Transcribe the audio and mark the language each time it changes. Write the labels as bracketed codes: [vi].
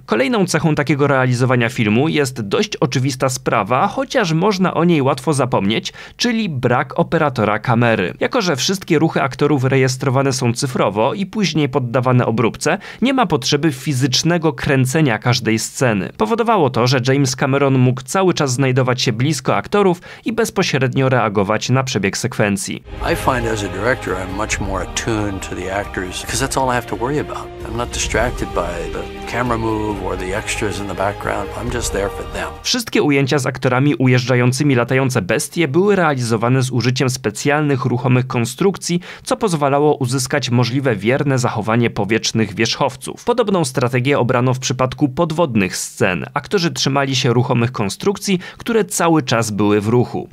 [pl] Kolejną cechą takiego realizowania filmu jest dość oczywista sprawa, chociaż można o niej łatwo zapomnieć, czyli brak operatora kamery. Jako że wszystkie ruchy aktorów rejestrowane są cyfrowo i później poddawane obróbce, nie ma potrzeby fizycznego kręcenia każdej sceny. Powodowało to, że James Cameron mógł cały czas znajdować się blisko aktorów i bezpośrednio reagować na przebieg sekwencji. [en] I find as a director I'm much more attuned to the actors because that's all I have to worry about. I'm not distracted by the camera move or the extras in the background. I'm just there for them. [pl] Wszystkie ujęcia z aktorami ujeżdżającymi latające bestie były realizowane z użyciem specjalnych ruchomych konstrukcji, co pozwalało uzyskać możliwe wierne zachowanie powietrznych wierzchowców. Podobną strategię obrano w przypadku podwodnych scen. Aktorzy trzymali się ruchomych konstrukcji, które cały czas były w ruchu.